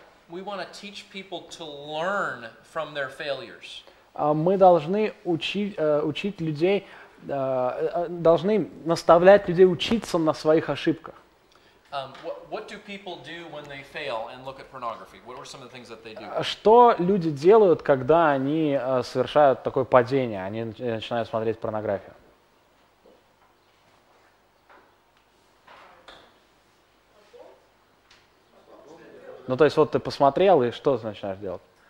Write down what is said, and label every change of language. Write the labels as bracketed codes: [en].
[en] We want to teach people to learn from their failures. [ru] Мы должны учить людей, должны наставлять людей учиться на своих ошибках. [en] What do people do when they fail and look at pornography? What are some of the things that they do? [ru] Что люди делают, когда они совершают такое падение, они начинают смотреть порнографию? Ну, то есть, вот ты посмотрел, и что ты начинаешь делать?